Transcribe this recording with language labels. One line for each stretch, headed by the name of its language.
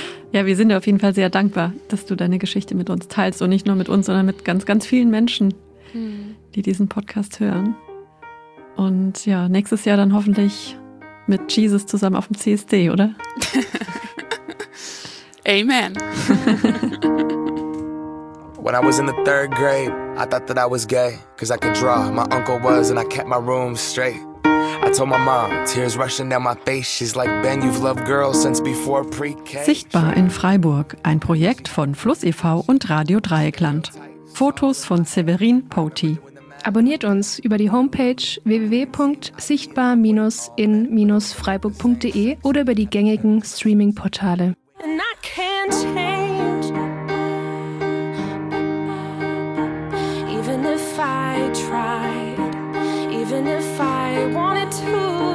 German: Ja, wir sind dir auf jeden Fall sehr dankbar, dass du deine Geschichte mit uns teilst und nicht nur mit uns, sondern mit ganz, ganz vielen Menschen, die diesen Podcast hören. Und ja, nächstes Jahr dann hoffentlich mit Jesus zusammen auf dem CSD, oder? Amen.
English: When I was in the third grade, I thought that I was gay, 'cause I could draw. My uncle was and I kept my room straight. I told my mom, tears rushing down my face. She's like, Ben, you've loved girls since before pre-K.
German: Sichtbar in Freiburg, ein Projekt von Fluss e.V. und Radio Dreieckland. Fotos von Severin Poti. Abonniert uns über die Homepage www.sichtbar-in-freiburg.de oder über die gängigen Streaming-Portale.
English: And I can't change, even if I tried, even if I wanted to.